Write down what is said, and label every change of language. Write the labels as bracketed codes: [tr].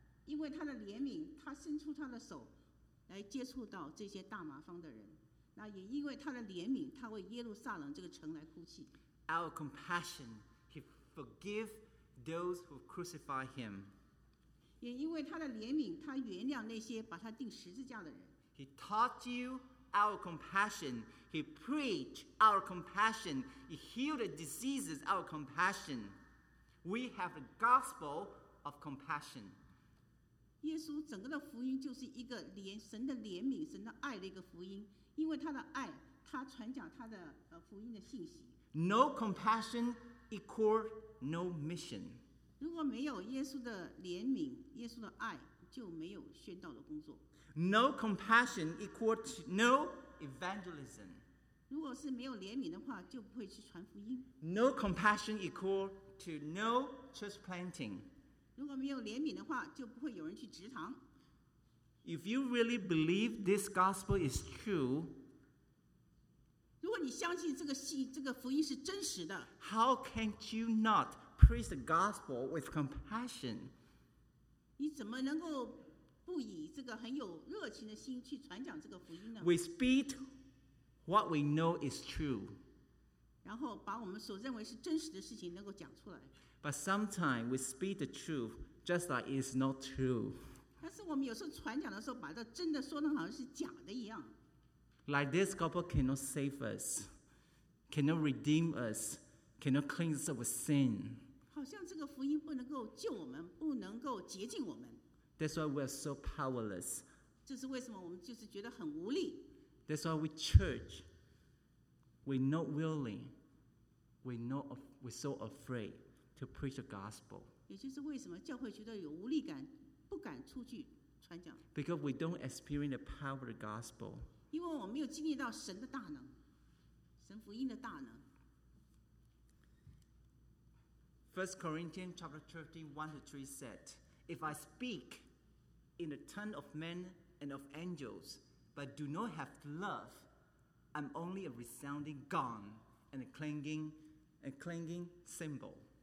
[zh] 因为他的怜悯，他伸出他的手来接触到这些大麻风的人。那也因为他的怜悯，他为耶路撒冷这个城来哭泣。 [en] Out of compassion, he forgave those who crucified him. [zh] 也因为他的怜悯，他原谅那些把他钉十字架的人。 [en] He taught you out of compassion. He preached out of compassion. He healed the diseases out of compassion. We have the gospel of compassion. [zh] 耶稣整个的福音就是一个神的怜悯、神的爱的一个福音。因为他的爱，他传讲他的福音的信息。 [en] No compassion equal no mission. [zh] 如果没有耶稣的怜悯，耶稣的爱，就没有宣道的工作。 [en] No compassion equal no evangelism. [zh] 如果是没有怜悯的话，就不会去传福音。 [en] No compassion equal to no church planting. [zh] 如果没有怜悯的话，就不会有人去植堂。 [en] If you really believe this gospel is true, [zh] 如果你相信这个福音是真实的， [en] how can you not preach the gospel with compassion? [zh] 你怎么能够不以这个很有热情的心去传讲这个福音呢？ [en] We speak what we know is true. [zh] 然后把我们所认为是真实的事情能够讲出来。 [en] But sometimes we speak the truth just like it's not true. [zh] 但是我们有时候传讲的时候，把这真的说的好像是假的一样。 [en] Like this gospel cannot save us, cannot redeem us, cannot cleanse us of sin. [zh] 好像这个福音不能够救我们，不能够洁净我们。 [en] That's why we are so powerless. [zh] 这是为什么我们就是觉得很无力。 [en] That's why we church, we're not willing, we're so afraid to preach the gospel. [zh] 也就是为什么教会觉得有无力感。不敢出去传讲。 [en] Because we don't experience the power of the gospel. [zh] 因为我们没有经历到神的大能，神福音的大能。 [en] First Corinthians chapter 13:1-3 said, "If I speak in the tongue of men and of angels, but do not have love, I'm only a resounding gong and a clanging cymbal."